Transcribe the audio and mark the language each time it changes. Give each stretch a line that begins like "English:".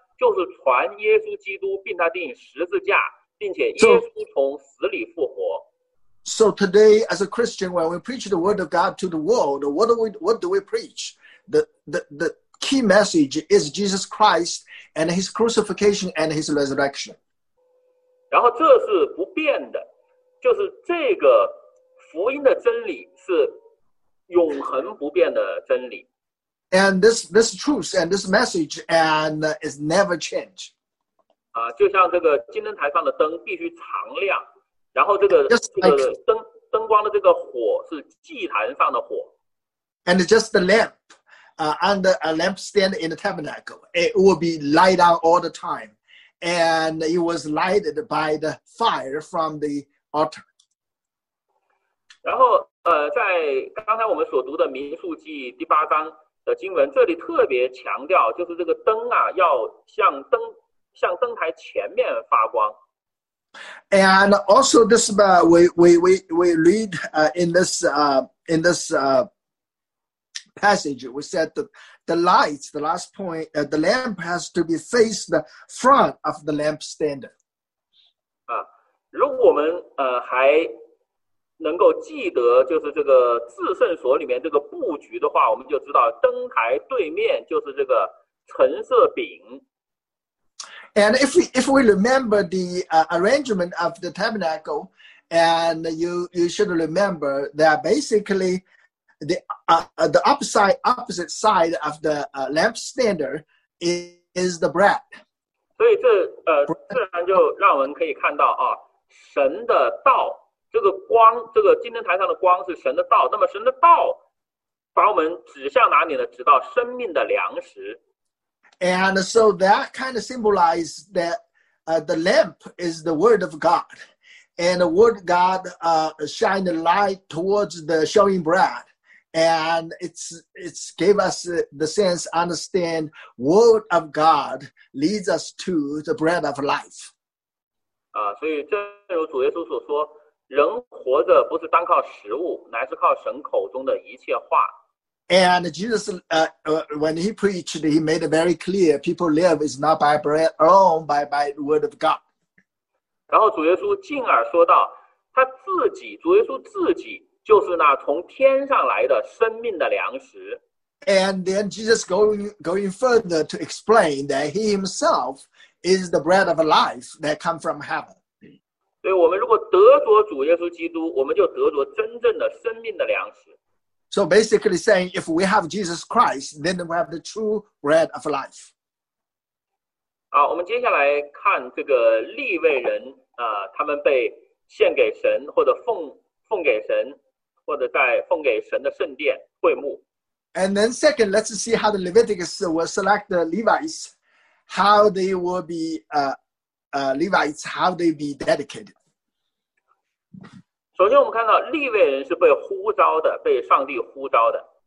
Chinese: 就是传耶稣基督，并他钉十字架，并且耶稣从死里复活。
English: So today, as a Christian, when we preach the word of God to the world, what do we preach? The key message is Jesus Christ and his crucifixion and his resurrection.
Chinese: 然后这是不变的，就是这个福音的真理是永恒不变的真理。
English: And this truth and this message and is never changed.
Chinese: 啊，就像这个金灯台上的灯必须常亮。然后这个灯光的这个火是祭坛上的火。
English: And just the lamp, and a lampstand in the tabernacle, it will be light on all the time. And it was lighted by the fire from the altar.
Chinese: 然后在刚才我们所读的民数记第八章的经文，这里特别强调，就是这个灯啊，要向灯台前面发光。
English: And also this we read in this passage, we said that the lamp has to be faced the front of the lampstand.
Chinese: 如果我们还能够记得就是这个至圣所里面这个布局的话，我们就知道灯台对面就是这个橙色饼。
English: And if we remember the arrangement of the tabernacle, and you should remember that basically the opposite side of the lampstand is the bread.
Chinese: 所以这自然就让我们可以看到啊，神的道，这个光，这个金灯台上的光是神的道。那么神的道把我们指向哪里呢？指到生命的粮食。
English: And so that kind of symbolizes that the lamp is the word of God, and the word God shine the light towards the showing bread, and it's gave us the sense understand word of God leads us to the bread of life.
Chinese: 所以正如主耶稣所说，人活着不是单靠食物，乃是靠神口中的一切话。
English: And Jesus, when he preached, he made it very clear, people live is not by bread alone, but by the word of God.
Chinese: 然后主耶稣进而说到，他自己，主耶稣自己就是那从天上来的生命的粮食。
English: And then Jesus going further to explain that he himself is the bread of life that come from heaven.
Chinese: 所以我们如果得着主耶稣基督，我们就得着真正的生命的粮食。
English: So basically saying, if we have Jesus Christ, then we have the true bread of life.
Chinese: 好，我们接下来看这个利未人，他们被献给神，或者奉给神，或者在奉给神的圣殿会幕。
English: And then second, let's see how the Leviticus will select the Levites, how they will be, Levites, how they be dedicated.
Chinese: 首先我们看到利未人是被呼召的，被上帝呼召的。